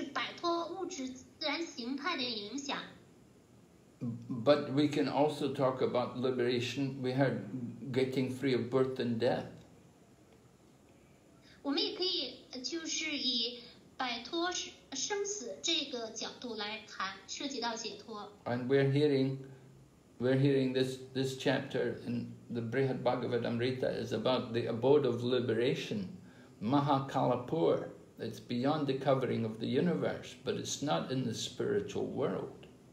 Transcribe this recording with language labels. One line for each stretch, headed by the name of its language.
Chinese: 有的时候谈到解脱是指的是摆脱物质自然形态的影响。
English: But we can also talk about liberation, we heard getting free of birth and death.
Chinese: 我们也可以就是以摆脱生死这个角度来谈，涉及到解脱。
English: And we're hearing this chapter in the Brihad Bhagavatamrita is about the abode of liberation, Mahakalapur. It's beyond the covering of the universe, but it's not in the spiritual world.